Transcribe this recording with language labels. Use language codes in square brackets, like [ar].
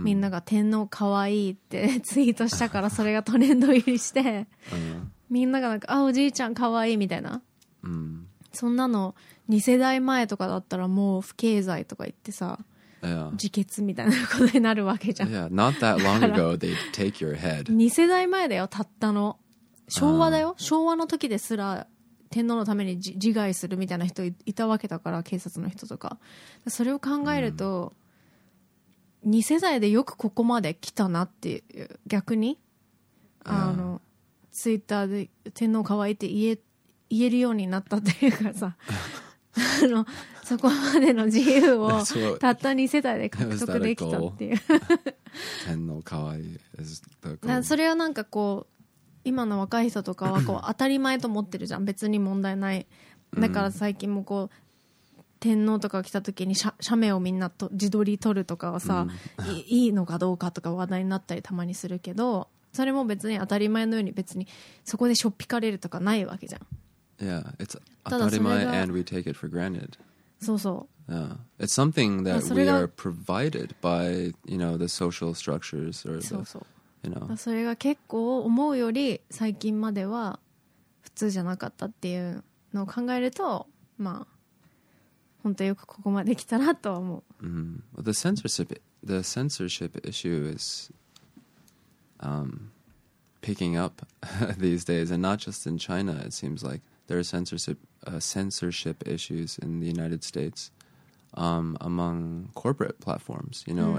[ja] みんなが天皇かわいいってツイートしたからそれがトレンド入りして、みんながなんかあおじいちゃんかわいいみたいな、 mm. そんなの2世代前とかだったらもう不敬罪とか言ってさ、 [en] yeah. [ja] 自決みたいなことになるわけじゃん。 [en] Yeah, not that long ago they'd take your head. [ja] 2世代前だよたったの。昭和だよ、昭和の時ですら。天皇のために自害するみたいな人いたわけだから、警察の人とか。それを考えると、うん、2世代でよくここまで来たなっていう、逆にあのツイッターで天皇可愛いって言えるようになったっていうかさあのそこまでの自由をたった2世代で獲得できたっていう天皇可愛いずっと。それはなんかこう今の若い人とかはこう当たり前と思ってるじゃん、別に問題ない。だから最近もこう天皇とか来た時に写メをみんなと自撮り撮るとかはさ、いいのかどうかとか話題になったりたまにするけど、それも別に当たり前のように別にそこでしょっぴかれるとかないわけじゃん。 [en] Yeah, it's 当たり前 and we take it for granted. [ja] そうそう、 [en] yeah. It's something that we are provided by, you know, the social structures or the... [ja] そうそう、 [en] you know. [ja] それが結構思うより最近までは普通じゃなかったっていうのを考えると、まあ本当よくここまで来たなとは思う。 Mm-hmm. [en] Well, the censorship issue is picking up these days, and not just in China. It seems like there are censorship issues in the United States among corporate platforms. You know, mm-hmm.